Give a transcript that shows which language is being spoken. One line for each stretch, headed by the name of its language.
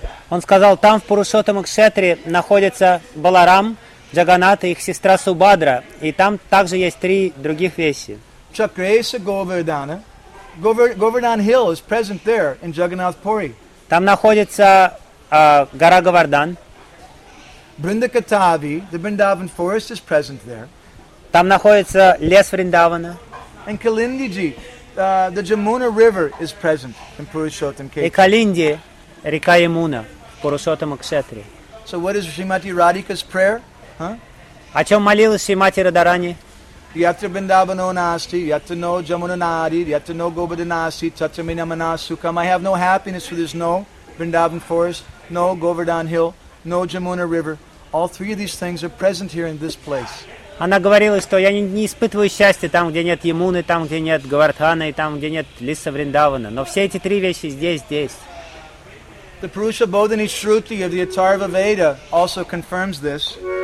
Russian: Он сказал, там в Пурушоттам Кшетре находится Баларам, Джаганнат и их сестра Субхадра, и там также есть три других вещи.
English: Чакреса Говардана, Govardhan Hill is present there in Jagannath Puri.
Russian: Там находится гора Говардан.
English: Бриндакатави, the Vrindavan forest is present there.
Russian: Там находится лес Вриндавана.
English: And Kalindiji, the Jamuna river is present in Purushottam Kshetra.
Russian: И Калинди, река Ямуна, Пурушоттам Кшетре.
English: So what is Shrimati Radhika's prayer?
Russian: О чем молилась Шримати Радарани?
Sanskrit: Yatra Vrindavano Nasti, Yatra No Jamuna Nadi, Yatra No Govardhan Nasti, Tatra Minamana Sukham.
English: I have no happiness for there's no Vrindavan forest, no Govardhan hill. No Jamuna River. All three of these things are present here in this place.
Russian: Она говорила, что я не испытываю счастья там, где нет Ямуны, там, где нет Говардхана, и там, где нет леса Вриндавана. Но все эти три вещи здесь.
English: The Purusha Bodhini Shruti of the Atharva Veda also confirms this.